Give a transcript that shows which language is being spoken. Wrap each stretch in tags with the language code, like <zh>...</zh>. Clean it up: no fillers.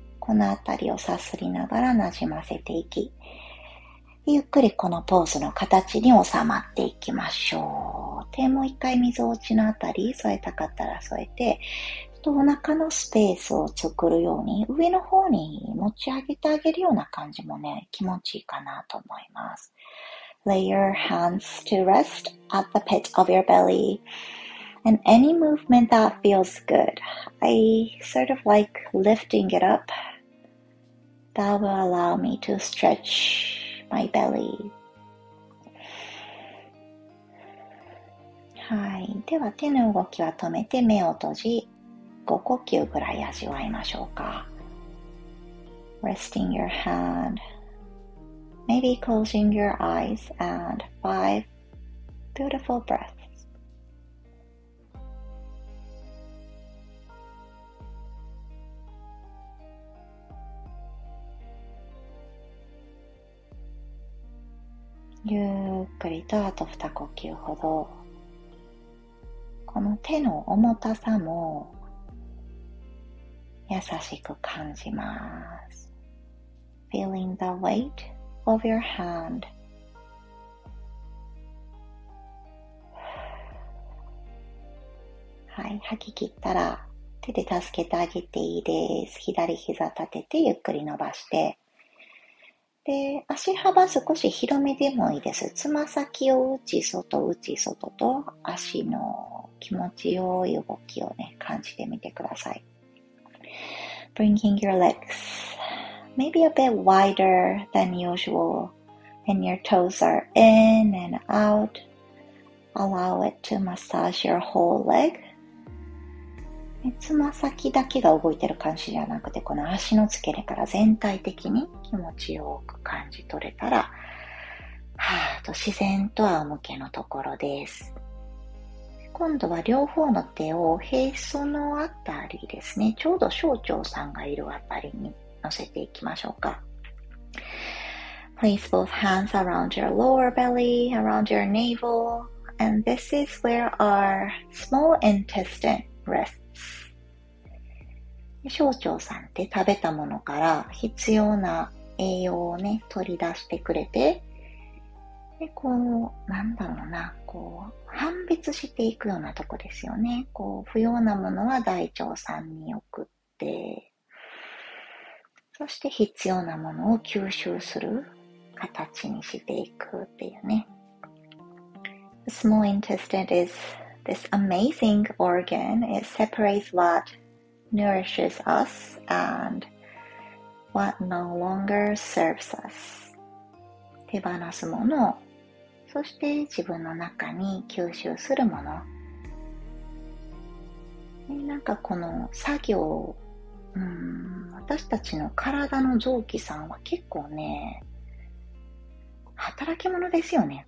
<ja>このあたりをさすりながらなじませていき。ゆっくりこのポーズの形に収まっていきましょう。手も一回水落ちのあたり添えたかったら添えて、ちょっとお腹のスペースを作るように上の方に持ち上げてあげるような感じもね、気持ちいいかなと思います。</ja> <en>Lay your hands to rest at the pit of your belly. And any movement that feels good, I sort of like lifting it up. That will allow me to stretch. My belly.</en> <ja>はい、では手の動きは止めて目を閉じ、5呼吸ぐらい味わいましょうか。</ja> <en>Resting your hand, maybe closing your eyes and 5 beautiful breaths.</en> <ja>ゆっくりとあと2呼吸ほど、この手の重たさも優しく感じます。</ja> <en>Feeling the weight of your hand.</en> <ja>はい、吐き切ったら手で助けてあげていいです。左膝立ててゆっくり伸ばして、で、足幅少し広めでもいいです。つま先を内外内外と足の気持ちよい動きをね、感じてみてください。</ja> <en>Bringing your legs maybe a bit wider than usual and your toes are in and out. Allow it to massage your whole leg.</en> <ja>つま先だけが動いてる感じじゃなくて、この足の付け根から全体的に気持ちよく感じ取れたら、はーと自然と仰向けのところです。今度は両方の手をへそのあたりですね、ちょうど小腸さんがいるあたりに乗せていきましょうか。</ja> <en>Place both hands around your lower belly, around your navel, and this is where our small intestine rests.</en> <ja>小腸さんって食べたものから必要な栄養をね、取り出してくれて、で、こう、なんだろうな、こう、判別していくようなとこですよね。こう、不要なものは大腸さんに送って、そして必要なものを吸収する形にしていくっていうね。</ja> <en>The small intestine is this amazing organ. It separates what? Nourishes us and what no longer serves us.</en> <ja>手放すもの、そして自分の中に吸収するもの。なんかこの作業、私たちの体の臓器さんは結構ね、働き者ですよね。</ja>